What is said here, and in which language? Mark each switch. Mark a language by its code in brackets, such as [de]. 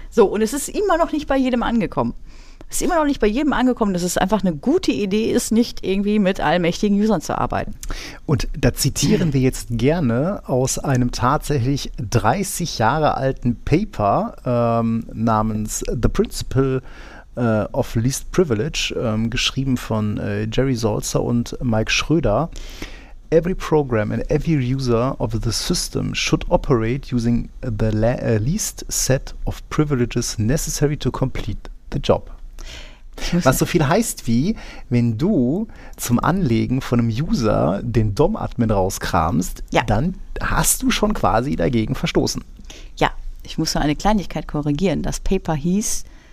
[de] So, und es ist immer noch nicht bei jedem angekommen. Ist immer noch nicht bei jedem angekommen, dass es einfach eine gute Idee ist, nicht irgendwie mit allmächtigen Usern zu arbeiten. Und da zitieren wir jetzt gerne aus einem tatsächlich 30 Jahre alten Paper namens The Principle of Least Privilege, geschrieben von Jerry Salzer und Mike Schröder. [en] Every program and every user of the system should operate using the least set of privileges necessary to complete the job. [de] Was so viel heißt wie, wenn du zum Anlegen von einem User den DOM-Admin rauskramst, dann hast du schon quasi dagegen verstoßen. Ja, ich muss nur eine Kleinigkeit korrigieren. Das Paper hieß